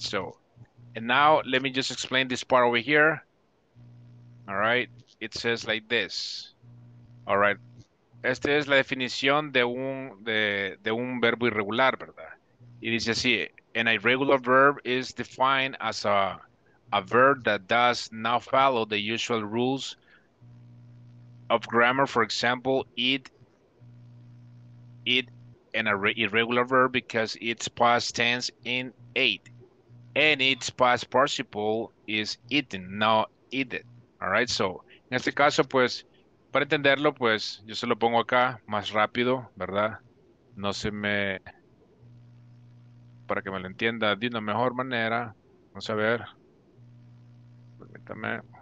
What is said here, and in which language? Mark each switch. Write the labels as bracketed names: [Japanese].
[English] So, and now let me just explain this part over here. All right? It says like this. All right. [Spanish] Esta es la definición de un verbo irregular, ¿verdad? Y dice así, [English] an irregular verb is defined as a verb that does not follow the usual rules of grammar. For example, it an irregular verb because its past tense in ate. And its past participle is eaten, not eaten. All right, so [Spanish] en este caso, pues, para entenderlo, pues, yo se lo pongo acá más rápido, ¿verdad? No se me... Para que me lo entienda de una mejor manera. Vamos a ver. Permítame.